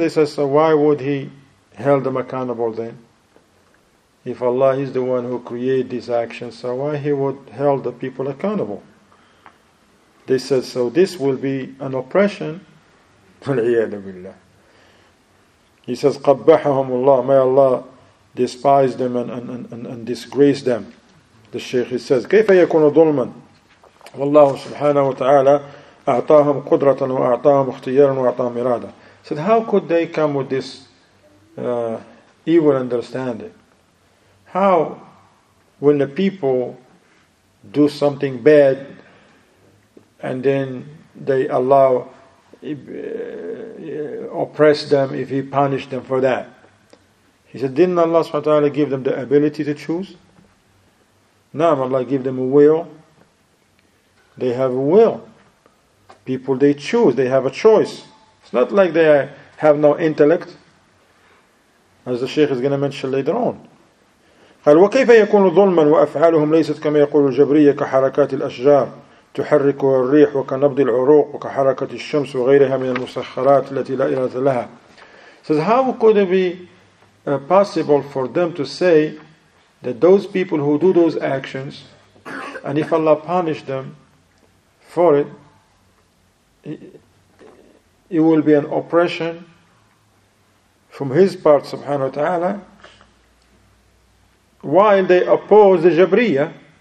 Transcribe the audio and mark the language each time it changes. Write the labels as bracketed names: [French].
[English] They says, so why would he held them accountable then? If Allah is the one who created these actions, so why he would held the people accountable? They said, so this will be an oppression. He says, [Arabic] قَبَّحَهُمْ اللَّهُ [English] May Allah despise them and disgrace them. [Arabic] The Shaykh says, كَيْفَ يَكُونُ ظُلْمًا وَاللَّهُ سُبْحَانَهُ وَتَعَالَى أعطاهم قدرة وأعطاهم اختيارا وأعطاهم إرادة. [English] Said, how could they come with this evil understanding? How, when the people do something bad, and then they allow oppress them if he punish them for that? He said, didn't Allah subhanahu wa ta'ala give them the ability to choose? Naam, Allah gave them a will. They have a will. People, they choose, they have a choice. It's not like they have no intellect, as the sheikh is going to mention later on. [Arabic] قال وكيف يكون ظلما وأفعالهم ليست كما يقول الجبرية كحركات الأشجار تحرك الريح وكنبض العروق وكحركة الشمس وغيرها من المسخرات التي لا إرادة لها. [English] Says, how could it be possible for them to say that those people who do those actions, and if Allah punished them for it, it will be an oppression from His part, subhanahu wa ta'ala, while they oppose the Jabriya?